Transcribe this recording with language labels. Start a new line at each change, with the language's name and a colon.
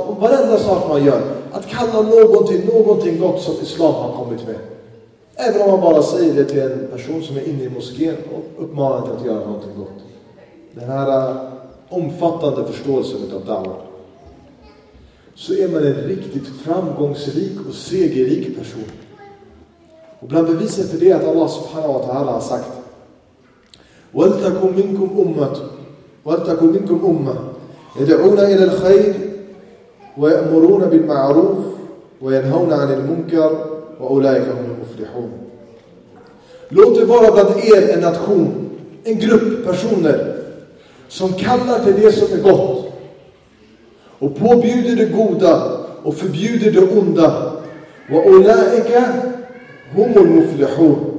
Swedish: Om varenda sak man gör, att kalla någonting gott som islam har kommit med. Även om man bara säger det till en person som är inne i moskén och uppmanar att göra någonting gott. Den här omfattande förståelsen av da'wah. Så är man en riktigt framgångsrik och segerrik person. Och bland bevisen för det är att Allah subhanahu wa ta'ala har sagt:
Arabic: وَلْتَكُمْ مِنْكُمْ أُمَّةُ وَلْتَكُمْ مِنْكُمْ أُمَّةُ يَدْعُونَ إِلَى الْخَيْرِ وَيَأْمُرُونَ بِالْمَعْرُوفِ وَيَنْهَوْنَ عَنِ الْمُنْكَرِ وَأُولَٰئِكَ هُمُ الْمُفْلِحُونَ.
Swedish: Låt det vara bland er en nation, en grupp personer som kallar till det som är gott och påbjuder det goda och förbjuder det onda.
Arabic: وَأُولَٰئِكَ هُمُ الْمُفْلِحُونَ.